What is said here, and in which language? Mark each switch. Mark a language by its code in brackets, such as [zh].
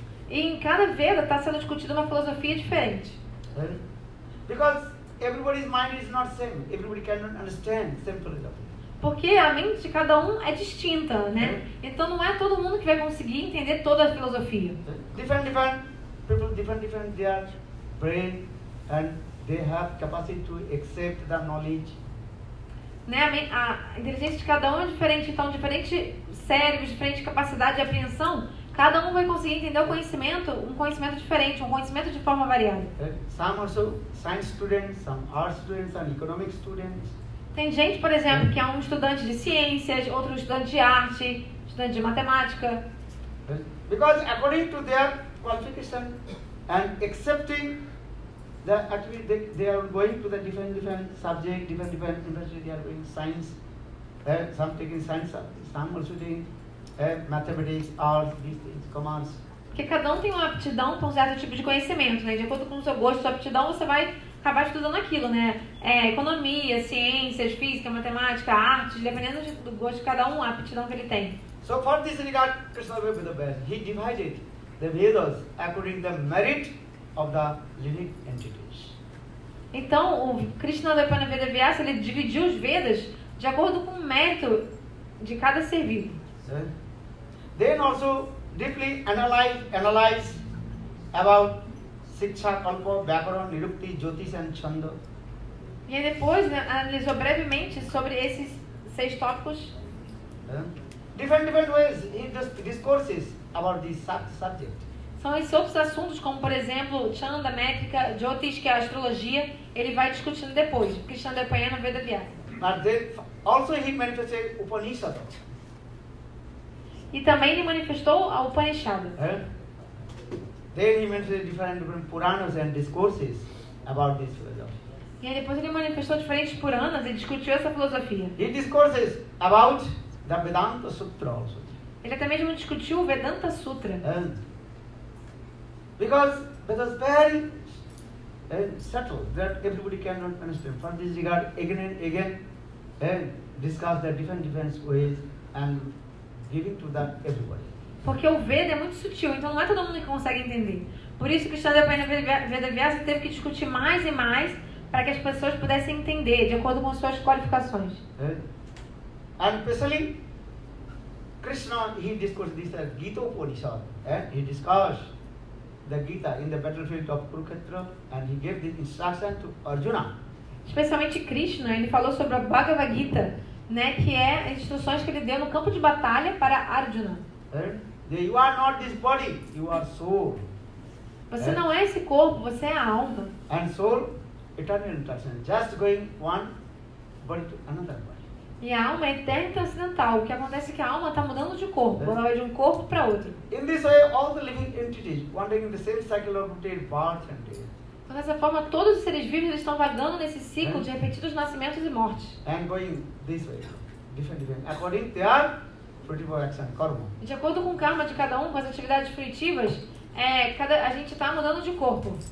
[pt] E em cada Veda está sendo discutida uma filosofia diferente. [en] Because everybody's mind is not same. Everybody cannot understand same philosophy. [pt] Porque a mente de cada um é distinta, né? Então não é todo mundo que vai conseguir entender toda a filosofia. [en] Different people, different their brain, and they have capacity to accept the knowledge. [pt] Né? A inteligência de cada um é diferente, então diferente cérebro, diferente capacidade de apreensão, cada um vai conseguir entender o conhecimento, um conhecimento diferente, um conhecimento de forma variada. [en] Some also science students, some art students, some economic students. [pt] Tem gente, por exemplo, que é um estudante de ciências, outro estudante de arte, estudante de matemática. [en] Because according to their qualification and accepting actually they are going to the different subject, different industry. They are going science, some taking science, some also doing mathematics, arts, these things, commerce. [pt] Porque cada um tem uma aptidão para um certo tipo de conhecimento, né? De acordo com o seu gosto, sua aptidão, você vai acabar estudando aquilo, né? Economia, ciências, física, matemática, artes, dependendo do gosto de cada um, a aptidão que ele tem. [en] So for this regard, Krishna will be the best. He divided the Vedas according to the merit of the living entities. [pt] Então, o Krishna Dvaipayana Veda Vyasa, ele dividiu os Vedas de acordo com o mérito de cada ser vivo. [en] Then also deeply analyze about Siksha, Kalpa, Vyakaran, Nirukti, Jyotish and Chanda. [pt] E aí depois, né, analisou brevemente sobre esses seis tópicos. [en] Different ways he discourses about this subject. [pt] São esses outros assuntos, como por exemplo, Chanda, métrica, Jyotish, que é a astrologia, ele vai discutindo depois, porque Chanda apanha no Veda Vyasa. [en] Also he manifested Upanishad. [pt] E também ele manifestou a Upanishad. [en] Then he manifested different Puranas and discourses about this philosophy. [pt] E aí depois ele manifestou diferentes Puranas e discutiu essa filosofia. [en] He discourses about the Vedanta Sutra also. [pt] Ele até mesmo discutiu o Vedanta Sutra. [en] Because it was very subtle that everybody cannot understand. For this regard, again and again, discuss the different ways and giving to that everybody. [pt] Porque o Veda é muito sutil, então não é todo mundo que consegue entender. Por isso que o Chanda Pena Veda Vyasa teve que discutir mais e mais para que as pessoas pudessem entender de acordo com suas qualificações. [en] And especially Krishna, he discussed this as Gita Upanishad. He discussed the Gita in the battlefield of Kurukshetra and he gave the instruction to Arjuna. [pt] Especialmente Krishna, ele falou sobre a Bhagavad Gita, né, que é as instruções que ele deu no campo de batalha para Arjuna. [en] You are not this body, you are soul. [pt] Você não é esse corpo, você é a alma. [en] And soul, eternal transcendental, just going one body to another body. [pt] E a alma é eterna e transcendental. O que acontece é que a alma está mudando de corpo, ela vai de um corpo para outro. [en] In this way, all the living entities wandering in the same cycle of their birth and death. [pt] Então, dessa forma, todos os seres vivos estão vagando nesse ciclo de repetidos nascimentos e mortes. [en] And going this way, different. According to their fruitful action, karma. [pt] De acordo com o karma de cada um, com as atividades fruitivas, a gente está mudando de corpo.